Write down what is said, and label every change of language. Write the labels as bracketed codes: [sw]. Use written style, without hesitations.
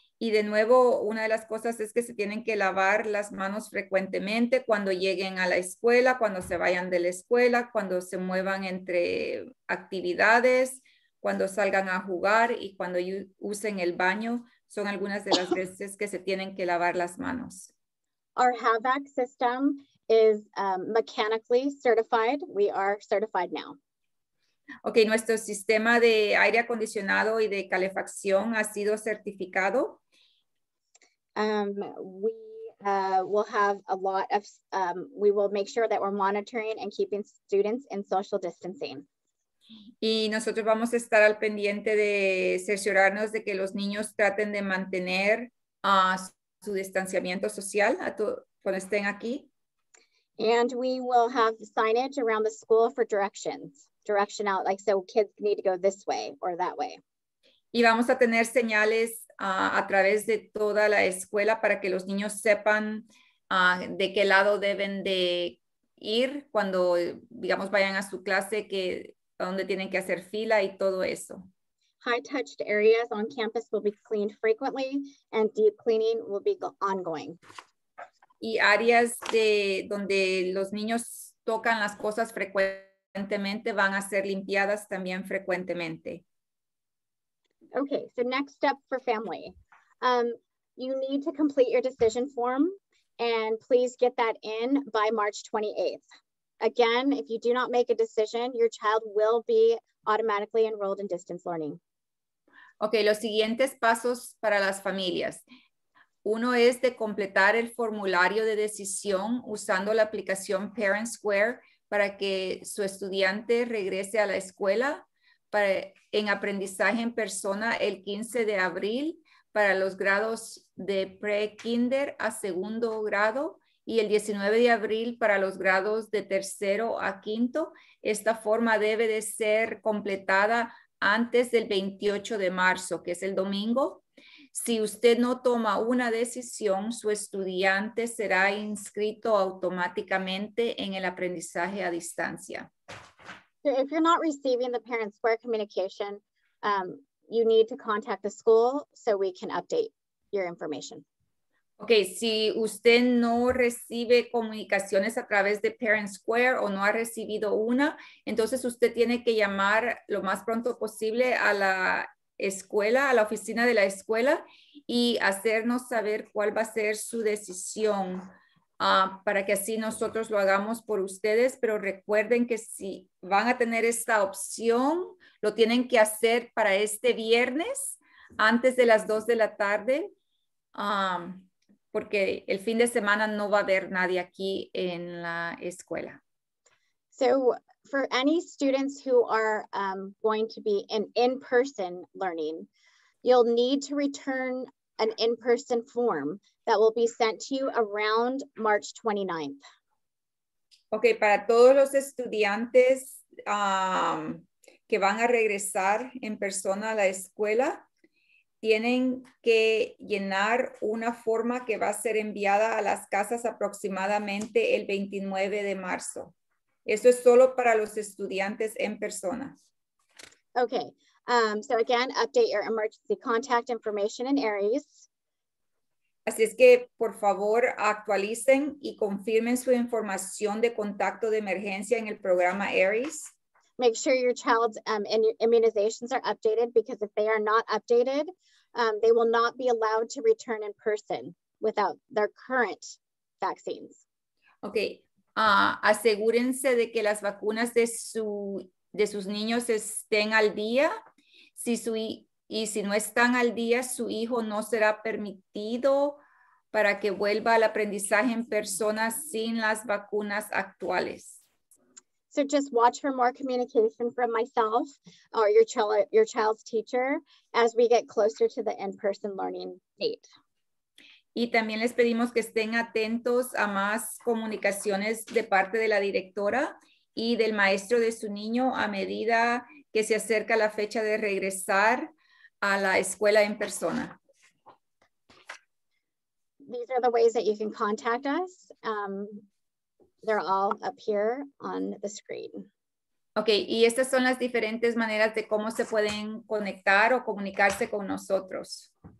[es] Y de nuevo, una de las cosas es que se tienen que lavar las manos frecuentemente cuando lleguen a la escuela, cuando se vayan de la escuela, cuando se muevan entre actividades, cuando salgan a jugar y cuando usen el baño, son algunas de las veces que se tienen que lavar las manos. [en] Our HVAC system is mechanically certified. We are certified now. [es] Okay, nuestro sistema de aire acondicionado y de calefacción ha sido certificado. [en] We will have a lot of, we will make sure that we're monitoring and keeping students in social distancing. [es] Y nosotros vamos a estar al pendiente de cerciorarnos de que los niños traten de mantener su distanciamiento social cuando estén aquí. [en] And we will have signage around the school for directions. Direction out, like, so kids need to go this way or that way. [es] Y vamos a tener señales a través de toda la escuela para que los niños sepan de qué lado deben de ir cuando, digamos, vayan a su clase, que donde tienen que hacer fila y todo eso. [en] High-touched areas on campus will be cleaned frequently and deep cleaning will be ongoing. [es] Y áreas de donde los niños tocan las cosas frecuentemente van a ser limpiadas también frecuentemente. [en] Okay, so next step for family. You need to complete your decision form and please get that in by March 28th. Again, if you do not make a decision, your child will be automatically enrolled in distance learning. [es] Okay, los siguientes pasos para las familias. Uno es de completar el formulario de decisión usando la aplicación Parent Square para que su estudiante regrese a la escuela para, en aprendizaje en persona el 15 de abril para los grados de pre-kinder a segundo grado y el 19 de abril para los grados de tercero a quinto. Esta forma debe de ser completada antes del 28 de marzo, que es el domingo. Si usted no toma una decisión, su estudiante será inscrito automáticamente en el aprendizaje a distancia. [en] So if you're not receiving the Parent Square communication, you need to contact the school so we can update your information. [es] Okay, si usted no recibe comunicaciones a través de Parent Square o no ha recibido una, entonces usted tiene que llamar lo más pronto posible a la escuela, a la oficina de la escuela, y hacernos saber cuál va a ser su decisión para que así nosotros lo hagamos por ustedes. Pero recuerden que si van a tener esta opción, lo tienen que hacer para este viernes antes de las 2 de la tarde, porque el fin de semana no va a haber nadie aquí en la escuela. [en] So for any students who are going to be in in-person learning, you'll need to return an in-person form that will be sent to you around March 29th. [es] Okay, para todos los estudiantes que van a regresar en persona a la escuela, tienen que llenar una forma que va a ser enviada a las casas aproximadamente el 29 de marzo. Eso es solo para los estudiantes en persona. [en] Okay. So again, update your emergency contact information in ARES. [es] Así es que, por favor, actualicen y confirmen su información de contacto de emergencia en el programa ARES. [en] Make sure your child's immunizations are updated, because if they are not updated, they will not be allowed to return in person without their current vaccines. Okay. [es] Asegúrense de que las vacunas de sus niños estén al día. Si no están al día, su hijo no será permitido para que vuelva al aprendizaje en persona sin las vacunas actuales. [en] So just watch for more communication from myself or your child's teacher as we get closer to the in-person learning date. [es] Y también les pedimos que estén atentos a más comunicaciones de parte de la directora y del maestro de su niño a medida que se acerca la fecha de regresar a la escuela en persona. [en] These are the ways that you can contact us. They're all up here on the screen. [es] Okay, y estas son las diferentes maneras de cómo se pueden conectar o comunicarse con nosotros.